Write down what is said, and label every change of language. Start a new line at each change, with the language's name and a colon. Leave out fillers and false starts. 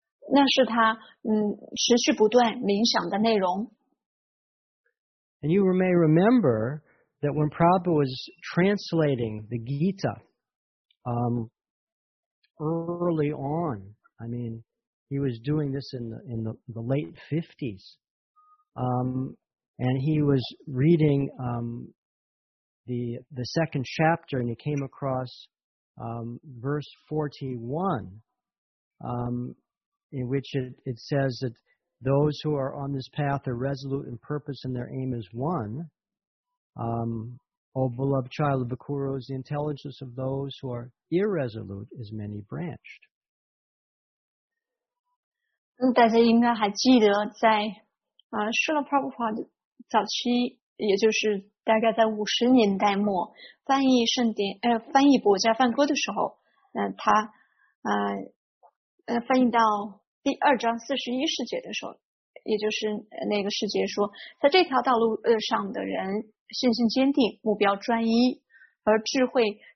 Chinese: 那是他持续不断冥想的内容。
English: And you may remember that when Prabhupada was translating the Gita, early on, I mean, he was doing this in the late 50s, and he was reading the second chapter, and he came across verse 41. In which it says that those who are on this path are resolute in purpose and their aim is one. O beloved child of the Kuros, the intelligence of those who are irresolute is many branched.
Chinese: 大家应该还记得在Srila Prabhupada 早期，也就是大概在50年代末翻译圣典翻译《博迦梵歌》的时候，他翻译到第二章41世节的时候，也就是那个世界说，在这条道路上的人信心坚定，目标专一，而智慧